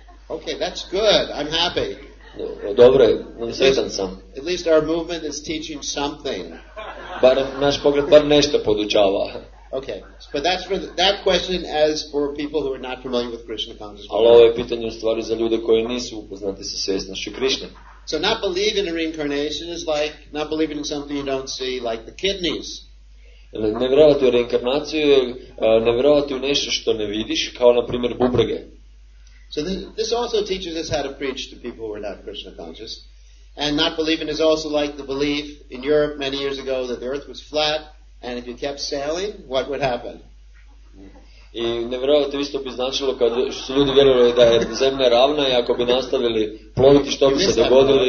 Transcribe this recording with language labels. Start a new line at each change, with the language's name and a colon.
English: Okay, that's good. I'm happy.
Croatian: Dobro je, on sretan sam.
English: At least our movement is teaching something.
Croatian: Bar naš pogled bar nešto podučava.
English: Okay, but that's for that question as for people who are not familiar with Krishna consciousness.
Croatian: Ali ovo je pitanje u stvari za ljude koji nisu upoznati sa svjesnošću Krishna.
English: So not believing in reincarnation is like not believing in something you don't see, like the kidneys.
Croatian: Ne vjerovati u reinkarnaciju je ne vjerovati u nešto što ne vidiš, kao na primjer bubrege.
English: So this also teaches us how to preach to people who are not Krishna conscious. And not believing is also like the belief in Europe many years ago that the earth was flat, and if you kept sailing, what would happen?
Croatian: I nevjerovati isto bi značilo kad su ljudi vjerovali da je zemlja ravna i ako bi nastavili ploviti što bi se dogodilo.